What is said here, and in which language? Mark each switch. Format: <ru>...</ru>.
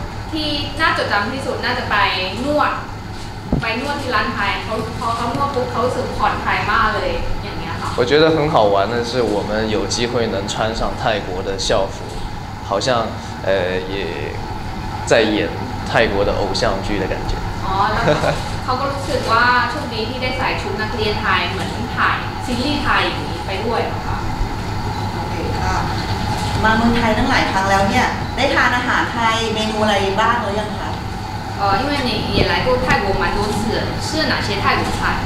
<th>ที่น่าจดจำที่สุดน่าจะไปนวดไปนวดที่ร้านไทยเขานวดปุ๊บเขารู้สึกผ่อนคลายมากเลยอย่างเงี้ยค่ะ</th> <zh>我觉得很好玩的是我们有机会能穿上泰国的校服好像也在演泰国的偶像剧的感觉</zh> <th>แล้วเขาก็รู้สึกว่าช่วงนี้ที่ได้ใส่ชุดนักเรียนไทยเหมือนถ่ายซีรีส์ไทยอย่างนี้ไปด้วยค่ะ มาเมืองไทยตั้งหลายครั้งแล้วเนี่ยได้ทานอาหารไทยเมนูอะไรบ้างหรือยังคะ</th> <zh>因为你也来过泰国蛮多次，吃了哪些泰国菜？</zh>